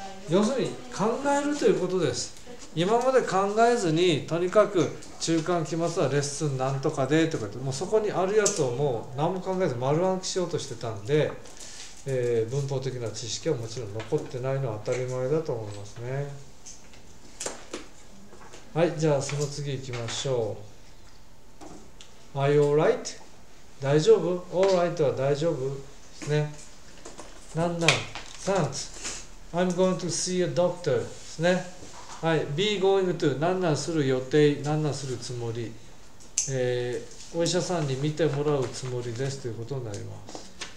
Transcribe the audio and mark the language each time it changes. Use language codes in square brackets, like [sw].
[ja] 要するに考えるということです。今まで考えずに、とにかく中間期末はレッスンなんとかでとかって、もうそこにあるやつをもう何も考えず丸暗記しようとしてたんで、文法的な知識はもちろん残ってないのは当たり前だと思いますね。はい、じゃあその次行きましょう。 [en] Are you alright? [ja] 大丈夫? Alright は大丈夫ですね。なんなん? [en] Thanks. I'm going to see a doctor [ja] ですね。はい、 [en] be going to、 [ja] 何々する予定、何々するつもり、お医者さんに見てもらうつもりですということになります。